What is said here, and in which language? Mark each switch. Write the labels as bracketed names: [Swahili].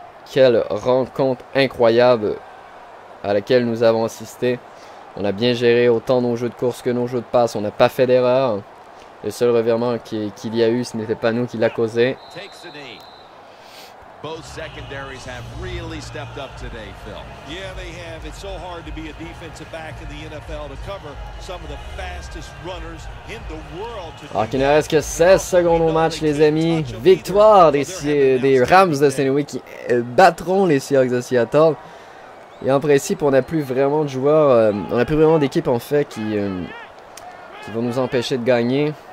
[French] Quelle rencontre incroyable à laquelle nous avons assisté. On a bien géré autant nos jeux de course que nos jeux de passe. On n'a pas fait d'erreur. Le seul revirement qu'il y a eu, ce n'était pas nous qui l'a causé. [English] Both secondaries have really stepped up today, Phil. Yeah, they have. It's so hard to be a defensive back in the NFL to cover some of the fastest runners in the world. [French] Alors qu'il ne reste que 16 secondes au match, les amis. Victoire des Rams de St. Louis qui battront les Seahawks de Seattle. Et en principe, on n'a plus vraiment d'équipe en fait qui vont nous empêcher de gagner.